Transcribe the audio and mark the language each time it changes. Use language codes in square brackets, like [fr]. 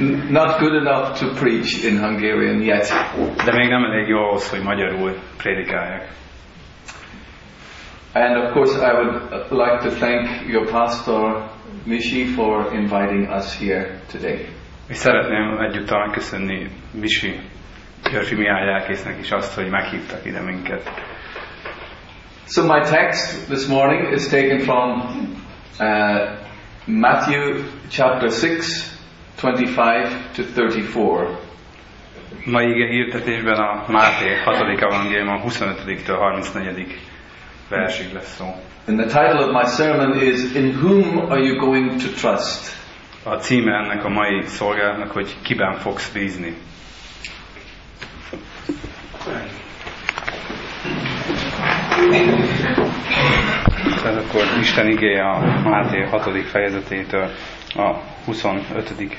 [en] Not good enough to preach in Hungarian yet. [hu] De még nem elég jó ahhoz, hogy magyarul prédikáljak. [en] And of course I would like to thank your pastor Misi for inviting us here today. [hu] És szeretném egyúttal megköszönni Misi Györfi Mihály lelkésznek is azt, hogy meghívtak ide minket. [en] So my text this morning is taken from Matthew chapter 6, 25-34. [hu] Ma ige hirdetésben a Máté 6. evangélium 25-től 34. versig lesz szó. [en] And the title of my sermon is In whom are you going to trust? [hu] A címe ennek a mai szolgálatnak, hogy kiben fogsz bízni. Tehát akkor Isten igéje a Máté 6. fejezetétől a 25.